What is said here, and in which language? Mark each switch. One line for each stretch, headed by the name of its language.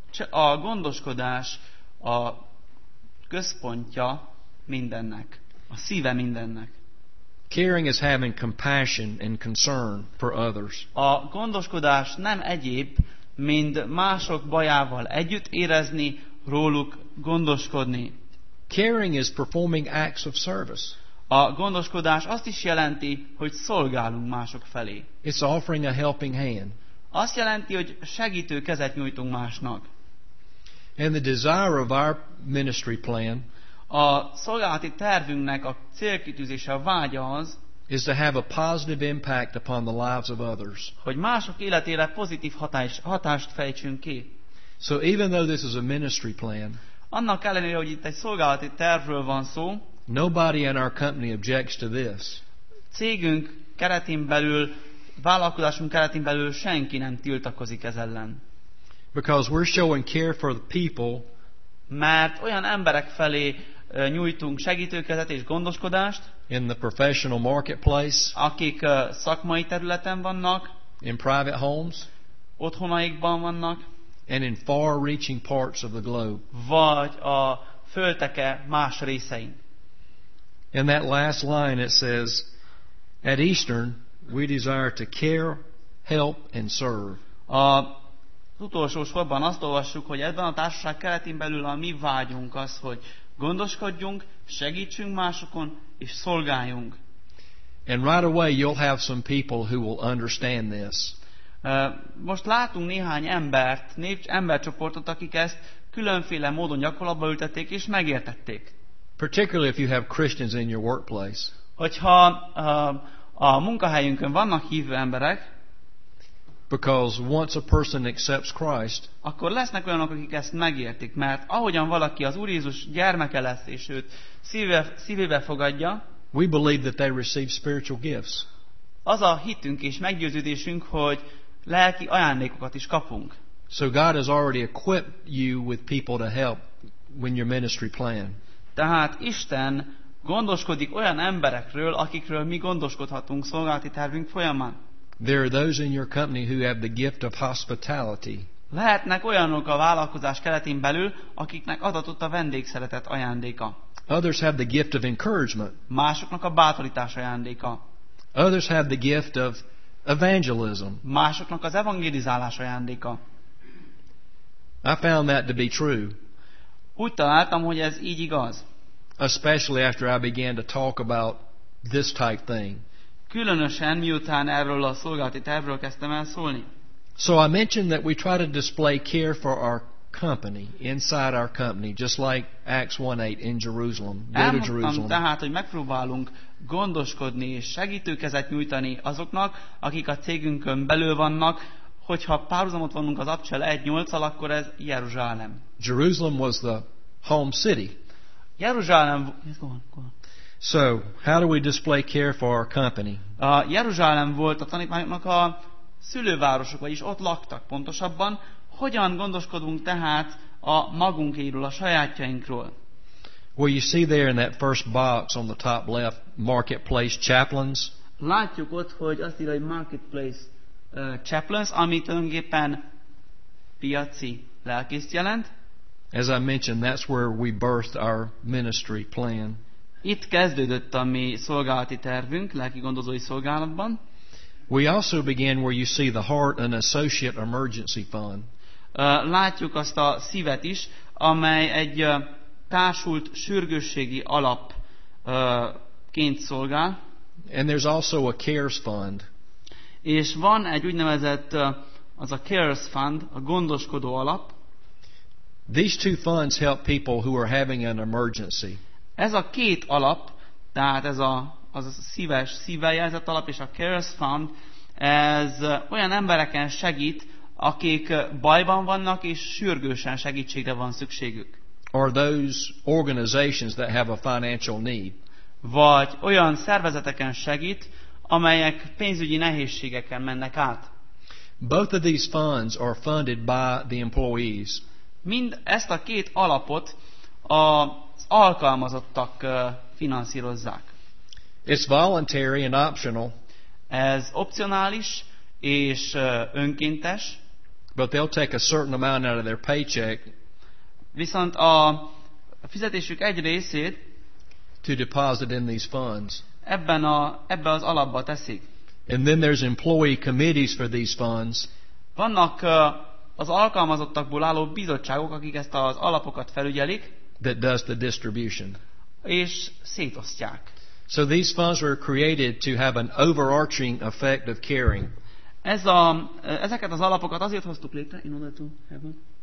Hungarian: A gondoskodás a központja mindennek, a szíve mindennek.
English: Caring is having compassion and concern for others.
Hungarian: A gondoskodás nem egyéb, mint mások bajával együtt érezni, róluk gondoskodni.
English: Caring is performing acts of service.
Hungarian: A gondoskodás azt is jelenti, hogy szolgálunk mások felé.
English: It's offering a helping hand.
Hungarian: Azt jelenti, hogy segítő kezet nyújtunk másnak.
English: And the desire of our ministry plan,
Hungarian: a szolgálati tervünknek a célkitűzése, a vágya az,
English: is to have a positive impact upon the lives of others.
Hungarian: Hogy mások életére pozitív hatást fejtsünk ki.
English: So even though this is a ministry plan,
Hungarian: annak ellenére, hogy itt egy szolgálati tervről van szó,
English: nobody in our company objects to this.
Hungarian: Cégünk keretén belül, vállalkozásunk keretén belül senki nem tiltakozik ez ellen.
English: Because we're showing care for the people,
Hungarian: mert olyan emberek felé nyújtunk segítőkezet és gondoskodást,
English: in the professional marketplace,
Hungarian: akik szakmai területen vannak,
English: in private homes,
Hungarian: otthonaikban vannak,
English: and in far-reaching parts of the globe.
Hungarian: Vagy a földeke más részein.
English: In that last line it says, At Eastern, we desire to care, help and serve.
Hungarian: Az utolsó sorban azt olvassuk, hogy ebben a társaság keretén belül a mi vágyunk az, hogy gondoskodjunk, segítsünk másokon és szolgáljunk.
English: And right away you'll have some people who will understand this.
Hungarian: Most látunk néhány embert, négy embercsoportot, akik ezt különféle módon gyakorlatba ültették és megértették.
English: Particularly if you have Christians in your workplace.
Hungarian: Hogyha a munkahelyünkön vannak hívő emberek,
English: because once a person accepts Christ,
Hungarian: akkor lesznek olyanok, akik ezt megértik, mert ahogyan valaki az Úr Jézus gyermeke lesz és őt szívébe fogadja,
English: we believe that they receive spiritual gifts.
Hungarian: Az a hitünk és meggyőződésünk, hogy lelki ajándékokat is kapunk.
English: So God has already equipped you with people to help when your ministry plan.
Hungarian: Tehát Isten gondoskodik olyan emberekről, akikről mi gondoskodhatunk szolgálati tervünk folyamán.
English: There are those in your company who have the gift of hospitality.
Hungarian: Lehetnek olyanok a vállalkozás keretén belül, akiknek adatott a vendégszeretet ajándéka.
English: Others have the gift of encouragement.
Hungarian: Másoknak a bátorítás ajándéka.
English: Others have the gift of evangelism.
Hungarian: Másoknak az evangelizálás ajándéka.
English: I found that to be true.
Hungarian: Úgy találtam, hogy ez így igaz.
English: Especially after I began to talk about this type thing.
Hungarian: Különösen miután erről a szolgálati tervről kezdtem el szólni.
English: So I mentioned that we try to display care for our company, inside our company, just like Acts 1:8 in Jerusalem. Go to Jerusalem.
Hungarian: Tehát, hogy megpróbálunk gondoskodni és segítőkezet nyújtani azoknak, akik a cégünkön belül vannak, hogyha párhuzamot vonunk az Apcsel 1:8-al, akkor ez Jeruzsálem.
English: Jerusalem was the home city.
Hungarian: Jeruzsálem.
English: So, how do we display care for our company?
Hungarian: Jeruzsálem volt a tanítványoknak a szülővárosok, vagyis ott laktak pontosabban. Hogyan gondoskodunk tehát a magunkéről, a sajátjainkról?
English: Well, you see there in that first box on the top left, marketplace chaplains.
Hungarian: Látjuk ott, hogy azt írja, hogy marketplace chaplains, ami tulajdonképpen piaci lelkészt jelent.
English: As I mentioned, that's where we birthed our ministry plan.
Hungarian: Itt kezdődött a mi szolgálati tervünk, lelki gondozói szolgálatban.
English: We also began where you see the heart and associate emergency fund.
Hungarian: Látjuk azt a szívet is, amely egy társult sürgősségi alap ként szolgál.
English: And there's also a cares fund.
Hungarian: És van egy úgynevezett az a cares fund, a gondoskodó alap.
English: These two funds help people who are having an emergency.
Hungarian: Ez a két alap, tehát ez a az a szíves szívvel jelzett alap és a cares fund, ez olyan embereken segít, akik bajban vannak és sürgősen segítségre van szükségük.
English: Are those organizations that have a financial need?
Hungarian: Vagy olyan szervezeteken segít, amelyek pénzügyi nehézségeken mennek át.
English: Both of these funds are funded by the employees.
Hungarian: Mind ezt a két alapot a alkalmazottak finanszírozzák.
English: It's voluntary and optional.
Hungarian: Ez opcionális és önkéntes.
English: But they'll take a certain amount out of their paycheck.
Hungarian: Viszont a fizetésük egy részét
English: to deposit in these funds.
Hungarian: Ebbe az alapba teszik.
English: And then there's employee committees for these funds.
Hungarian: Vannak az alkalmazottakból álló bizottságok, akik ezt az alapokat felügyelik.
English: That does the distribution.
Hungarian: És szétosztják.
English: So these funds were created to have an overarching effect of caring.
Hungarian: Ezeket az alapokat azért hoztuk létre,
English: in order to have an